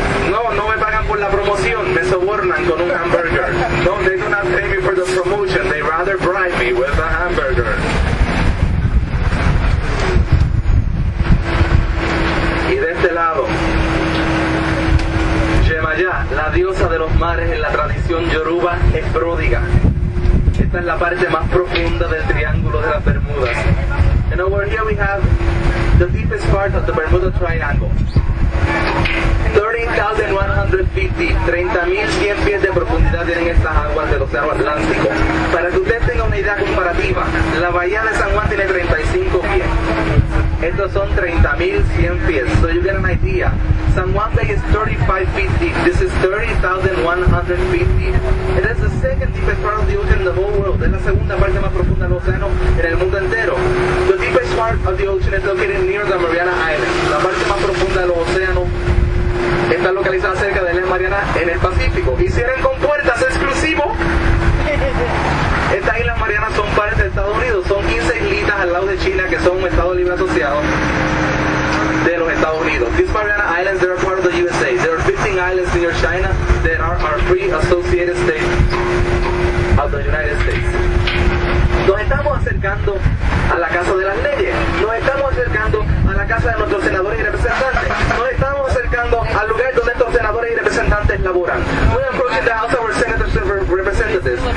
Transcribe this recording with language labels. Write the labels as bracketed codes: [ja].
[es] No, no me pagan por la promoción, me sobornan con un hamburger. [en] No, they do not pay me for the promotion, they rather bribe me with a hamburger. [es] Y de este lado, Yemayá, la diosa de los mares en la tradición yoruba, es pródiga. Esta es la parte más profunda del triángulo de las Bermudas. [en] And over here we have the deepest part of the Bermuda Triangle. 30,100 feet deep, [es] 30,100 pies de profundidad tienen estas aguas del Océano Atlántico. Para que usted tenga una idea comparativa, la Bahía de San Juan tiene 35 pies. Estos son 30,100 pies. [en] So you get an idea. San Juan Bay is 35 feet deep. This is 30,100 feet deep. It is the second deepest part of the ocean in the whole world. [es] Es la segunda parte más profunda del océano en el mundo entero. [en] The deepest part of the ocean is located near the Mariana Islands. [es] La parte más profunda del océano está localizada cerca de las Marianas en el Pacífico. Y cierren con puertas, exclusivo. Estas islas Marianas son parte de Estados Unidos. Son 15 islitas al lado de China que son un estado libre asociado de los Estados Unidos. [en] These Mariana Islands, they are part of the USA. There are 15 islands near China that are our free associated states of the United States. [es] Nos estamos acercando a la Casa de las Leyes. Nos estamos acercando a la casa de nuestros senadores y representantes. Nos estamos acercando al lugar donde estos senadores y representantes laboran. [en] We are approaching the house of our senators and representatives.